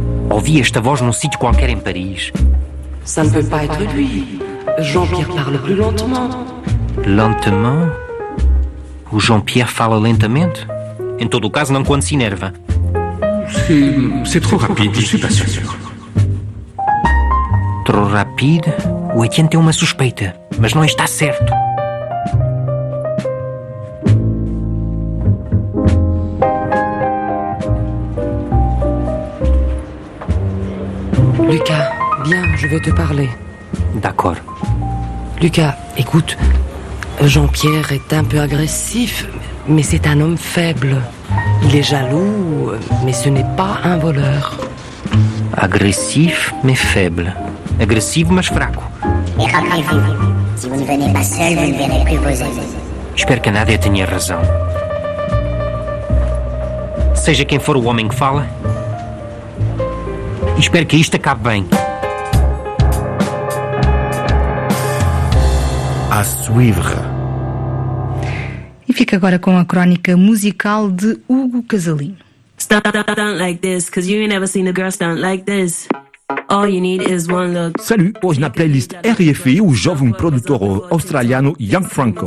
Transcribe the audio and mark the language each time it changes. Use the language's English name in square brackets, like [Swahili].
[French] On vit cette voix dans un site qualquer en Paris. Ça ne peut pas être lui. Jean-Pierre parle plus lentement. Lentement? Ou Jean-Pierre parle lentement? En tout cas, non quand s'énerve. C'est trop rapide, je ne suis pas sûr. Trop rapide? [Portuguese] O Etienne tem uma suspeita, mas não está certo. [French] Lucas, viens, je veux te parler. D'accord. Lucas, écoute, Jean-Pierre est un peu agressif, mais c'est un homme faible. Il est jaloux, mais ce n'est pas un voleur. Agressif, mais faible. Agressif, mais fraco. Et rappelez-vous, si vous ne venez pas seul, vous ne verrez plus vos amis. J'espère que Nadia [Portuguese] tenha razão. Seja quem for o homem que fala, espero que isto acabe bem. [French] A suivre. [Portuguese] E fica agora com a crónica musical de Hugo Casalino. [English] Stop, don't like this, cause you ain't never seen a girl stunt like this. All you need is one look. [Portuguese] Salut, hoje na playlist RFI o jovem produtor australiano Young Franco.